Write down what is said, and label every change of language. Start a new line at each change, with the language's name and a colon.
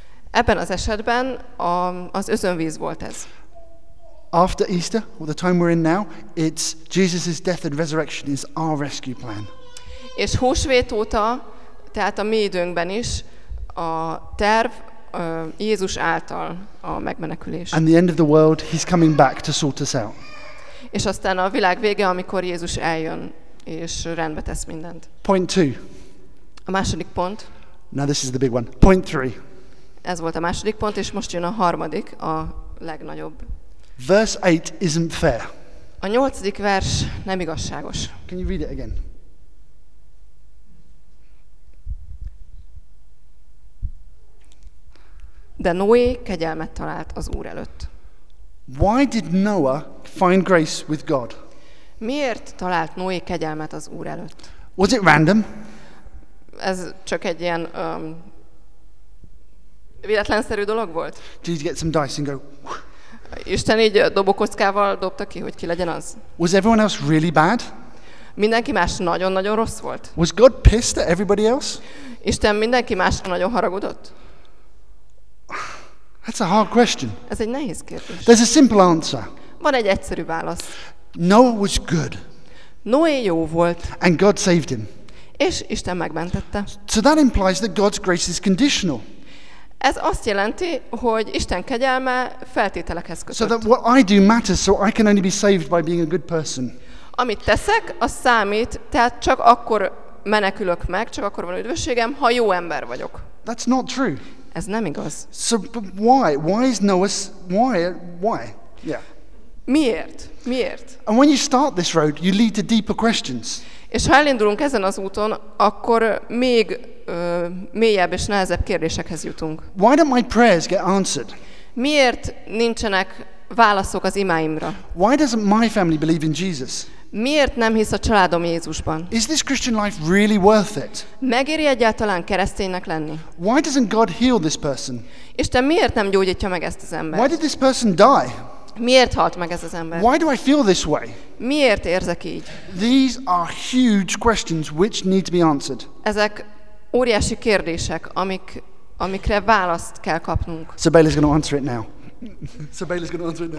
Hungarian: Ebben az esetben az özönvíz volt ez.
English: After Easter, or the time we're in now, it's Jesus' death and resurrection is our rescue plan.
Hungarian: És húsvét óta, tehát a mi időnkben is, a terv Jézus által a megmenekülés.
English: And the end of the world, he's coming back to sort us out.
Hungarian: És aztán a világ vége, amikor Jézus eljön, és rendbe tesz mindent.
English: Point two.
Hungarian: A második pont.
English: Now this is the big one. Point three.
Hungarian: Ez volt a második pont, és most jön a harmadik, a legnagyobb.
English: Verse 8 isn't fair.
Hungarian: A nyolcadik vers nem igazságos.
English: Can you read it again?
Hungarian: De Noé kegyelmet talált az Úr előtt.
English: Why did Noah find grace with God?
Hungarian: Miért talált Noé kegyelmet az Úr előtt?
English: Was it random?
Hungarian: Ez csak egy ilyen véletlenszerű dolog volt?
English: Did you get some dice and go?
Hungarian: Isten így dobókockával dobta ki, hogy ki legyen az.
English: Was everyone else really bad?
Hungarian: Mindenki más nagyon-nagyon rossz volt.
English: Was God pissed at everybody else?
Hungarian: Isten mindenki másra nagyon haragudott.
English: That's a hard question.
Hungarian: Ez egy nehéz kérdés.
English: There's a simple answer.
Hungarian: Van egy egyszerű válasz.
English: Noah was good.
Hungarian: Noé jó volt.
English: And God saved him.
Hungarian: És Isten megmentette.
English: So that implies that God's grace is conditional.
Hungarian: Ez azt jelenti, hogy Isten kegyelme feltételekhez kötött.
English: So that what I do matters, so I can only be saved by being a good person.
Hungarian: Amit teszek, az számít, tehát csak akkor menekülök meg, csak akkor van üdvösségem, ha jó ember vagyok.
English: That's not true.
Hungarian: Ez nem igaz.
English: So, but why? Why is Noah's... Why? Yeah.
Hungarian: Miért? Miért?
English: And when you start this road, you lead to deeper questions.
Hungarian: És ha elindulunk ezen az úton, akkor még mélyebb és nehezebb kérdésekhez jutunk.
English: Why don't my prayers get answered?
Hungarian: Miért nincsenek válaszok az imáimra?
English: Why doesn't my family believe in Jesus?
Hungarian: Miért nem hisz a családom Jézusban?
English: Is this Christian life really worth it?
Hungarian: Megéri egyáltalán kereszténynek lenni?
English: Why doesn't God heal this person?
Hungarian: Isten miért nem gyógyítja meg ezt az embert?
English: Why did this person die?
Hungarian: Miért halt meg ez az ember?
English: Why do I feel this way?
Hungarian: Miért érzek így?
English: These are huge questions which need to be answered.
Hungarian: Ezek óriási kérdések, amikre választ kell kapnunk.
English: So Bailey's going to answer it now. So Bailey's going to answer it now.